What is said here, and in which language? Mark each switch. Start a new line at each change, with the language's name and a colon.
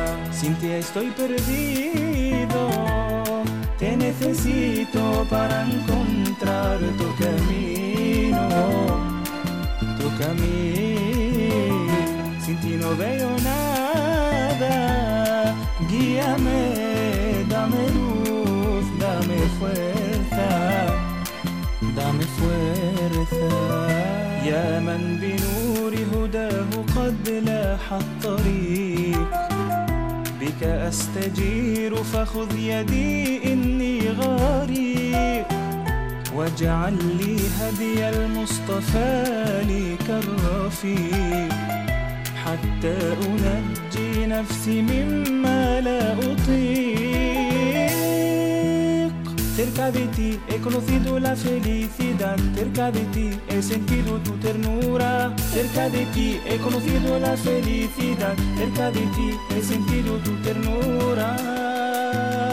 Spanish: Sin ti estoy perdido, te necesito para encontrar tu camino, tu camino. Sin ti no veo nada, guíame, dame luz. Dame fuerza, dame fuerza.
Arabic: يا من بنور هداه قد لاح الطريق، بك أستجير فخذ يدي إني غريق، واجعل لي هدي المصطفى لي كالرفيق، حتى أنجي نفسي مما لا أطيق.
Spanish: Cerca de ti he conocido la felicidad, cerca de ti he sentido tu ternura. Cerca de ti he conocido la felicidad, cerca de ti he sentido tu ternura.